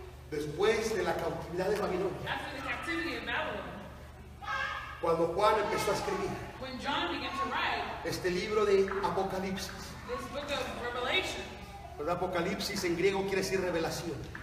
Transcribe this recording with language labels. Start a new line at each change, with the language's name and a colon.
Spanish: Después de la cautividad de Babilonia.
English: After the captivity of Babylon.
Spanish: Cuando Juan empezó a escribir.
English: When John began to write.
Spanish: Este libro de Apocalipsis.
English: This book of Revelation.
Spanish: ¿Verdad? Apocalipsis en griego quiere decir revelación.